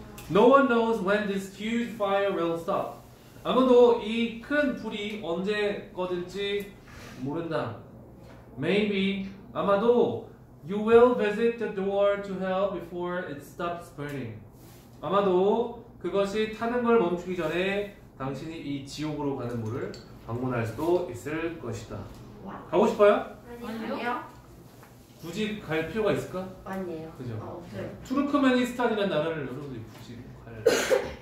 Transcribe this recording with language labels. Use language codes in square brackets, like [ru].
[en] No one knows when this huge fire will stop. [ko] 아무도 이 큰 불이 언제 꺼질지 모른다. [en] Maybe, [ko] 아마도 [en] you will visit the door to hell before it stops burning. [ko] 아마도 그것이 타는 걸 멈추기 전에 당신이 이 지옥으로 가는 문을 방문할 수도 있을 것이다. 가고 싶어요? 아니요. 굳이 갈 필요가 있을까? 아니에요. 그죠? 아, 투르크메니스탄이라는 나라를 여러분들이 굳이 갈.